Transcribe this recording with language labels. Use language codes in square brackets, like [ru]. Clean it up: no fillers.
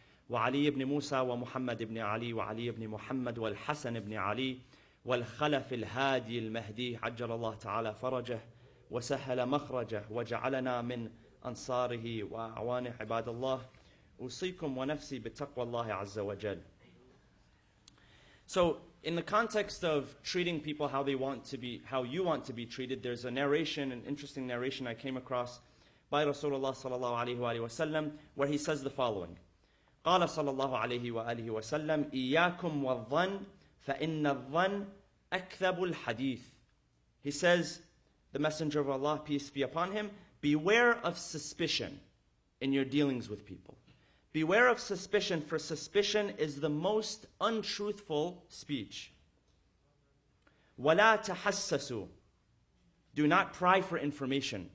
[ar] وعلي بن موسى ومحمد بن علي وعلي بن محمد والحسن بن علي والخلف الهادي المهدي، عجل الله تعالى فرجه وسهل مخرجه وجعلنا من أنصاره وأعوانه. عباد الله، أوصيكم ونفسي بتقوى الله عز وجل. [en] So in the context of treating people how they want to be, how you want to be treated, there's a narration, an interesting narration I came across by Rasulullah sallallahu alayhi wa alayhi wa sallam, where he says the following. [ar] قال صلى الله عليه وآله وسلم إياكم والظن فإن الظن أكذب الحديث. [en] He says, the Messenger of Allah, peace be upon him, beware of suspicion in your dealings with people. Beware of suspicion, for suspicion is the most untruthful speech. [ar] وَلَا تَحَسَّسُوا. [en] Do not pry for information.